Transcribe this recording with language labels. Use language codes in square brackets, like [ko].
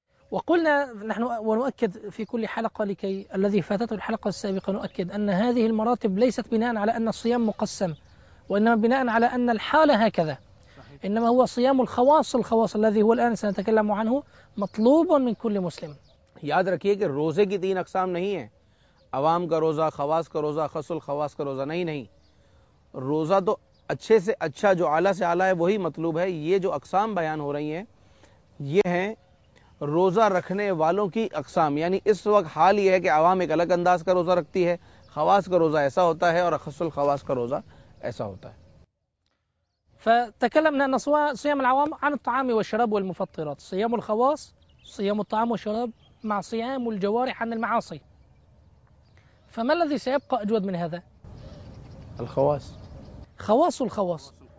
[ar] وقلنا نحن ونؤكد في كل حلقة لكي الذي فاتته الحلقة السابقة، نؤكد أن هذه المراتب ليست بناء على أن الصيام مقسم، وإنما بناء على أن الحالة هكذا. صحيح. إنما هو صيام الخواص، الخواص الذي هو الآن سنتكلم عنه، مطلوب من كل مسلم. [ur] یاد رکھیے کہ روزے کی تین اقسام نہیں ہیں، عوام کا روزہ، خواص کا روزہ، خص الخواص کا روزہ، نہیں نہیں. روزہ تو اچھے سے اچھا، جو اعلیٰ سے اعلیٰ ہے وہی مطلوب ہے. یہ جو اقسام بیان ہو رہی ہیں یہ ہیں روزہ رکھنے والوں کی اقسام. یعنی اس وقت حال یہ ہے کہ عوام ایک الگ انداز کا روزہ رکھتی ہے، خواص کا روزہ ایسا ہوتا ہے اور اخص الخواص کا روزہ ایسا ہوتا ہے. [ar] فتكلمنا ان صيام العوام عن الطعام والشراب والمفطرات، صيام الخواص صيام الطعام والشراب مع صيام الجوارح عن المعاصي. فما الذي سيبقى اجود من هذا؟ الخواص، خواص الخواص.